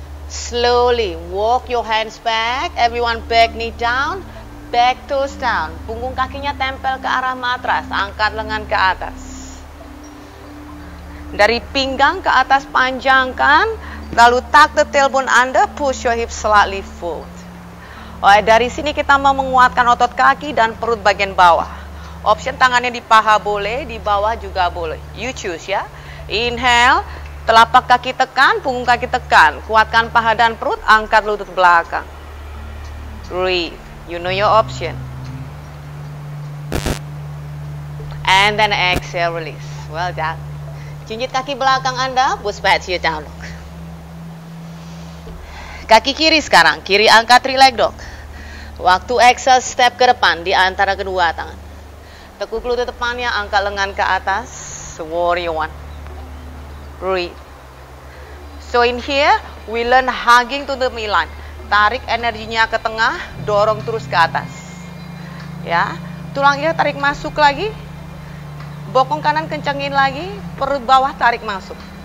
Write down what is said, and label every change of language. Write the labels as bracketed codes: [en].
[en] Slowly walk your hands back. Everyone back knee down, back toes down. [id] Punggung kakinya tempel ke arah matras. Angkat lengan ke atas. Dari pinggang ke atas panjangkan. Lalu [en] tuck the tailbone under, push your hips slightly forward. [id] Alright, dari sini kita mau menguatkan otot kaki dan perut bagian bawah. Option tangannya di paha boleh, di bawah juga boleh. [en] You choose [id] ya. Inhale, telapak kaki tekan, punggung kaki tekan. Kuatkan paha dan perut, angkat lutut belakang. [en] Breathe, you know your option. And then exhale, release. Well done. [id] Jinjit kaki belakang Anda, [en] push back to your down dog. [id] Kaki kiri sekarang, kiri angkat, [en] relax dog. [id] Waktu exhale, step ke depan di antara kedua tangan. Tekuk lutut depannya, angkat lengan ke atas. [en] Warrior one. Breathe. So in here, we learn hugging to the midline. [id] Tarik energinya ke tengah, dorong terus ke atas. Ya, tulang iliak tarik masuk lagi. Bokong kanan kencengin lagi, perut bawah tarik masuk.